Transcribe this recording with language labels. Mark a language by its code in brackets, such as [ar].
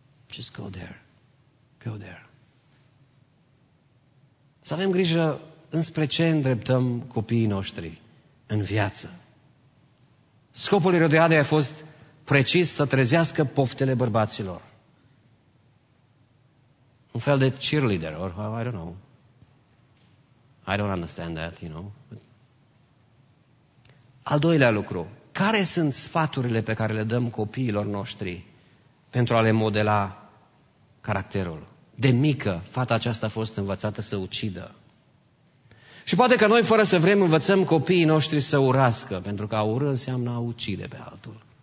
[en] Just go there. Go there. [ro] Să avem grijă înspre ce îndreptăm copiii noștri în viață. Scopul Irodiadei a fost precis să trezească poftele bărbaților. Un fel de [en] cheerleader, or I don't know. I don't understand that, you know. [ro] Al doilea lucru, care sunt sfaturile pe care le dăm copiilor noștri pentru a le modela caracterul? De mică, fata aceasta a fost învățată să ucidă. Și poate că noi, fără să vrem, învățăm copiii noștri să urască, pentru că a ură înseamnă a ucide pe altul.